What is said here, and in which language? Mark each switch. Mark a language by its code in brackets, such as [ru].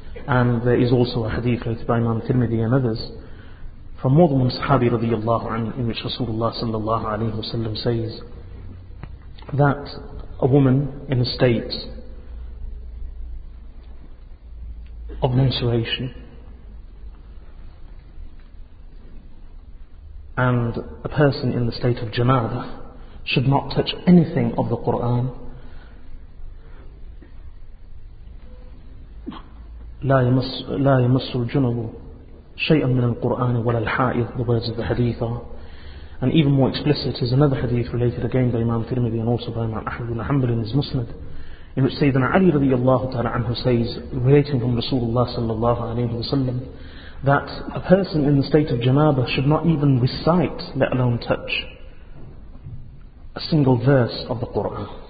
[en] And there is also a hadith related by Imam Tirmidhi and others from more than one sahabi radiyallahu anhu, in which Rasulullah sallallahu alayhi wa sallam says that a woman in a state of menstruation and a person in the state of janabah should not touch anything of the Qur'an. [ar] لا يمس الجنب شيئا من القرآن ولا الحائض. [en] The words of the hadith are. And even more explicit is another hadith related again by Imam Tirmidhi and also by Imam Ahmad ibn Hanbal in his Musnad, in which Sayyidina Ali radiallahu ta'ala anhu says, relating from Rasulullah sallallahu alayhi wa sallam, that a person in the state of janabah should not even recite, let alone touch, a single verse of the Qur'an.